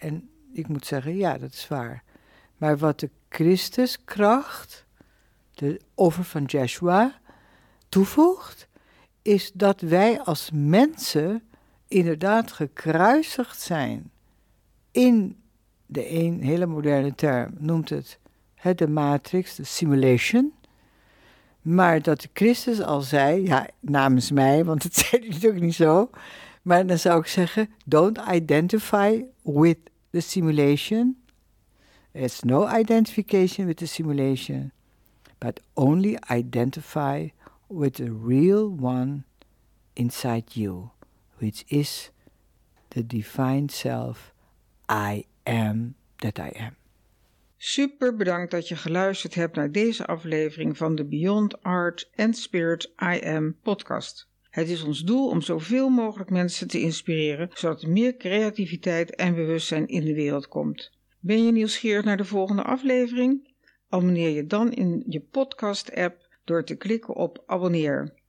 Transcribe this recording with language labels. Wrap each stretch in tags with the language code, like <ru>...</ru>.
<nl>En ik moet zeggen, ja, dat is waar. Maar wat de Christuskracht, de offer van Yeshua, toevoegt, is dat wij als mensen inderdaad gekruisigd zijn in de een hele moderne term, noemt het de matrix, de simulation. Maar dat Christus al zei, ja, namens mij, want dat zei hij natuurlijk niet zo, maar dan zou ik zeggen,</nl> <en>don't identify with the simulation. There's no identification with the simulation. But only identify with the real one inside you, which is the divine self, I am that I am.</en> <nl>Super bedankt dat je geluisterd hebt naar deze aflevering van de Beyond Art and Spirit I Am podcast. Het is ons doel om zoveel mogelijk mensen te inspireren, zodat er meer creativiteit en bewustzijn in de wereld komt. Ben je nieuwsgierig naar de volgende aflevering? Abonneer je dan in je podcast-app door te klikken op abonneer.</nl>